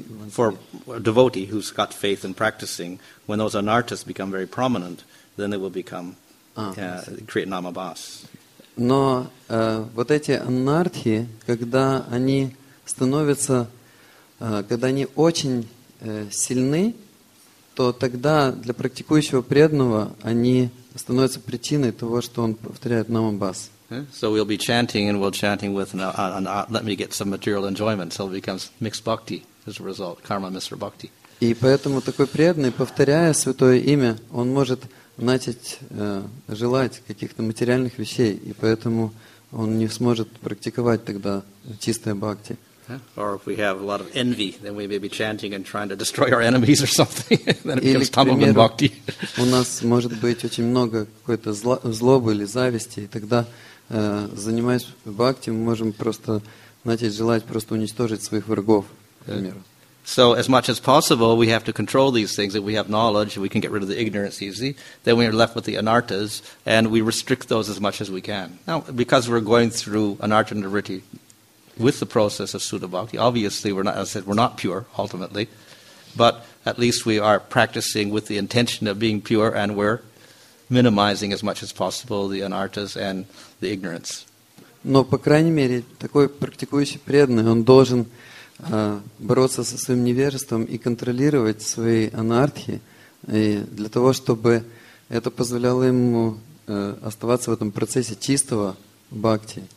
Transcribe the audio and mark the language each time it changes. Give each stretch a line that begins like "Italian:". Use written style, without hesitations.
English: for a devotee who's got faith in practicing, when those anarthas become very prominent, then they will become create namabhas.
Russian: Но вот эти анартхи, когда они становятся, когда они очень сильны, то тогда для практикующего преданного они становятся причиной того, что он повторяет намабас.
English: So we'll be chanting and we'll chanting with let me get some material enjoyment, so it becomes mixed bhakti as a result, karma mixed bhakti.
Russian: И поэтому такой преданный, повторяя святое имя, он может начать желать каких-то материальных вещей, и поэтому он не сможет практиковать тогда чистое бхакти.
English: Or if we have a lot of envy, then we may be chanting and trying to destroy our enemies or something. Then it becomes tamogun bhakti.
Russian: У нас может быть очень много какой-то злобы или зависти, и тогда, занимаясь бхакти, мы можем просто начать желать просто уничтожить своих врагов, например.
English: So as much as possible, we have to control these things. If we have knowledge, we can get rid of the ignorance easy. Then we are left with the anarthas, and we restrict those as much as we can. Now, because we're going through anartha nirvritti with the process of Sudha Bhakti, obviously, we're not, as I said, we're not pure, ultimately. But at least we are practicing with the intention of being pure, and we're minimizing as much as possible the anarthas and the ignorance.
Russian: Но, по крайней мере, такой практикующий преданный, он должен бороться со своим невежеством и контролировать свои анартхи, и для того, чтобы это позволяло ему оставаться в этом процессе чистого бхакти.